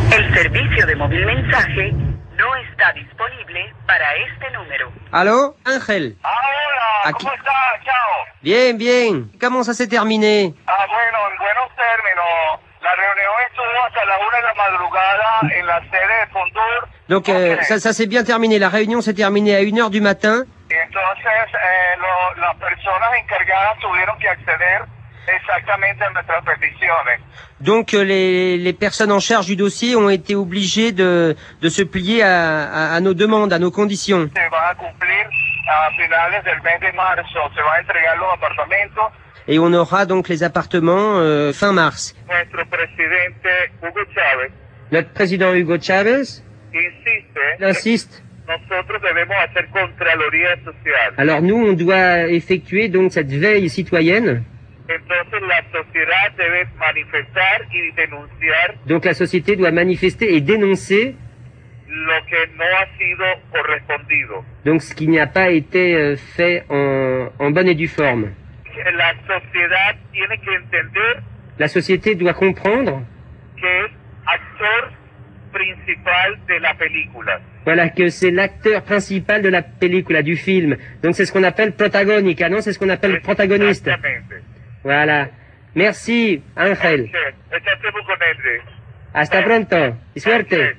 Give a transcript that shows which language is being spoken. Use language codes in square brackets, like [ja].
[es] Servicio de móvil mensaje no está disponible para este número. ¿Aló? Ángel. Hola, aquí. ¿Cómo estás? Chao. Bien, bien. ¿Cómo se hace terminé? Ah, bueno, en buenos términos. La reunión estuvo hasta la una de la madrugada en la sede de Fondur. [fr] Donc, ça s'est bien terminé. La réunion s'est terminée à 1h du matin. [es] Y entonces, las personas encargadas tuvieron que acceder. Exactamente en nuestras peticiones. [fr] Donc les personnes en charge du dossier ont été obligées de se plier à nos demandes, à nos conditions. [es] Se va a cumplir a finales del mes de marzo, se va a entregar los apartamentos. [fr] Et on aura donc les appartements fin mars. [es] Nuestro presidente Hugo Chávez. [fr] Notre président Hugo Chávez. [es] Insiste. Nosotros debemos hacer contraloría social. [fr] Alors nous on doit effectuer donc cette veille citoyenne. [es] Entonces la sociedad debe manifestar y denunciar. [fr] Donc la société doit manifester et dénoncer [es] lo que no ha sido correspondido. [fr] Donc ce qui n'a pas été fait en bonne et due forme. [es] La sociedad tiene que entender [fr] La société doit comprendre [es] que acteur principal de la película. [fr] Voilà, que c'est l'acteur principal de la película, du film. Donc c'est ce qu'on appelle protagonica, non? C'est ce qu'on appelle protagoniste. Exactement. Voilà. Merci, Angel. [es] Hasta pronto. Y suerte.